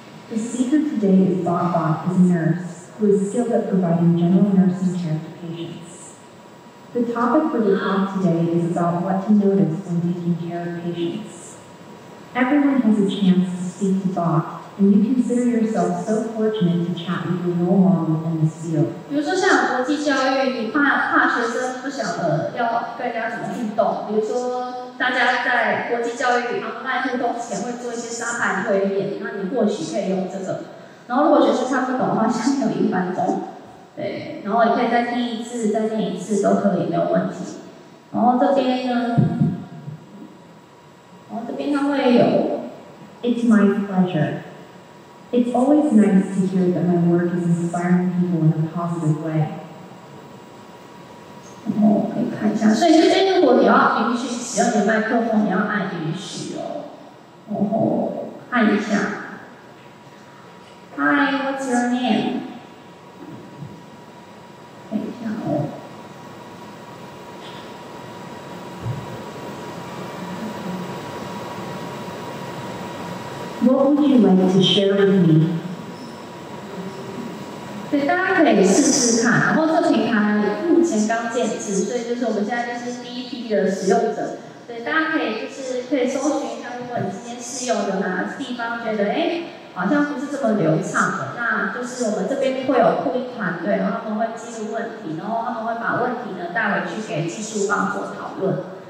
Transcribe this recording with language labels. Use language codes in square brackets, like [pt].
[en] The speaker today is Bob Bach, a nurse who is skilled at providing general nursing care to patients. The topic for the talk today is about what to notice when taking care of patients. Everyone has a chance to speak to Bach, and you consider yourself so fortunate to chat with a role model in this field. [zh] 比如说像国际教育，你怕学生不晓得要跟人家怎么运动，比如说大家在国际教育online互动前会做一些沙盘推演，那你或许可以用这个。然后如果学生看不懂的话，下面有一分钟，对，然后你可以再听一次，再念一次都可以，没有问题。然后这边呢，然后这边它会有 [en] ，It's my pleasure. It's always nice to hear that my work is inspiring people in a positive way. [zh] 然后我可以看一下，所以这边如果你要允许使用你的麦克风，你要按允许哦。然后按一下。 [en] Hi, what's your name? [zh] 等一下哦。 [en] What would you like to share with me? [zh] 对，大家可以试试看。然后这平台目前刚建制，所以就是我们现在就是第一批的使用者。对，大家可以就是可以搜寻一下，如果你今天试用的哪个地方觉得哎好像不是这么流畅的，那就是我们这边会有护理团队，然后他们会记录问题，然后他们会把问题呢带回去给技术方做讨论。